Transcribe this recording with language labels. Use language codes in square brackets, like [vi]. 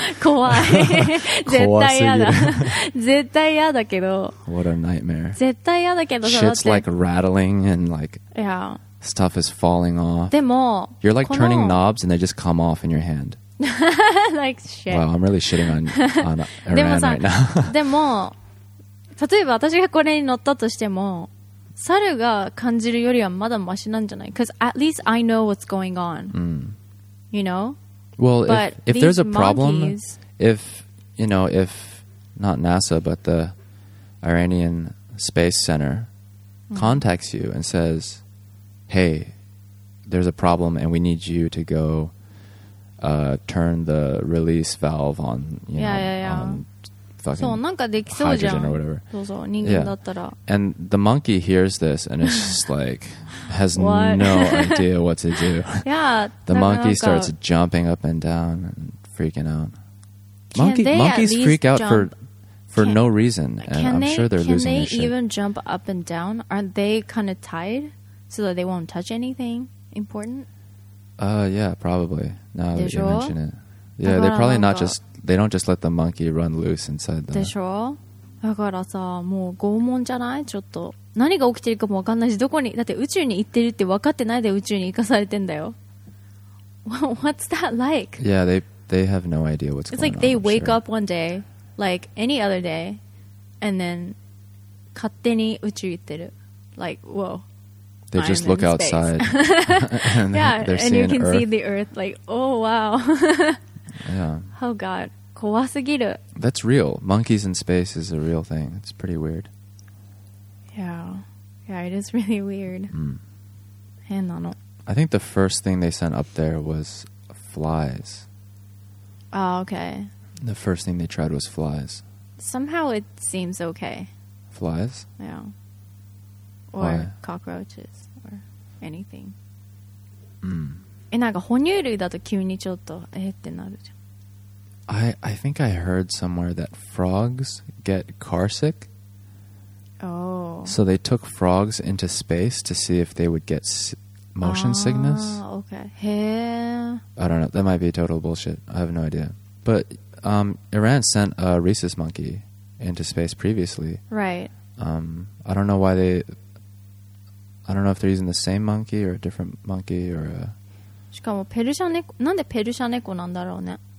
[ja] 怖い。絶対嫌だけど。 [en] What a nightmare. [ja] 絶対嫌だけど。 [en] Shit's like rattling and like yeah. stuff is falling off. [ja] でも, [en] You're like turning knobs and they just come off in your hand. like shit. Wow, I'm really shitting on Iran right now. [ja] でも、例えば私がこれに乗ったとしても、 猿が感じるよりはまだマシなんじゃない? [en] Because at least I know what's going on. Mm. You know? Well, but if there's a problem, monkeys... if, you know, if not NASA, but the Iranian Space Center contacts you and says, hey, there's a problem and we need you to go turn the release valve on, you yeah, know, yeah, yeah. on... hydrogen or whatever. And the monkey hears this and it's just like has no idea what to do. Yeah. The monkey starts jumping up and down and freaking out. Monkeys freak out for no reason. And I'm sure they're losing their shit. Can they even jump up and down? Aren't they kind of tied so that they won't touch anything important? Yeah, probably. Now that you mention it. Yeah, they're probably not just... They don't just let the monkey run loose inside the... [ja] でしょ?だからさ、もう拷問じゃない?ちょっと。何が起きてるかもわかんないし、どこに、だって宇宙に行ってるって分かってないで宇宙に行かされてんだよ。 [en] What's that like? Yeah, they have no idea what's going on. It's like they wake sure. up one day, like any other day, and then [ja] 勝手に宇宙行ってる。 [en] Like, whoa. They just look outside. and yeah, they're seeing and you can Earth. See the Earth like, oh, wow. yeah. Oh, God. [ja] 怖すぎる. [en] That's real. Monkeys in space is a real thing. It's pretty weird. Yeah. Yeah, it is really weird. Mm. I think the first thing they sent up there was flies. Oh, okay. The first thing they tried was flies. Somehow it seems okay. Flies? Yeah. Or Why? Cockroaches or anything. Mm. [ja] え、なんか哺乳類だと急にちょっとえってなるじゃん。 [en] I think I heard somewhere that frogs get carsick. Oh. So they took frogs into space to see if they would get motion sickness. Oh, okay. Hey. I don't know. That might be total bullshit. I have no idea. But Iran sent a rhesus monkey into space previously. Right. I don't know why they... I don't know if they're using the same monkey or a different monkey or a... [ja] しかもペルシャ猫、なんでペルシャ猫なんだろうね。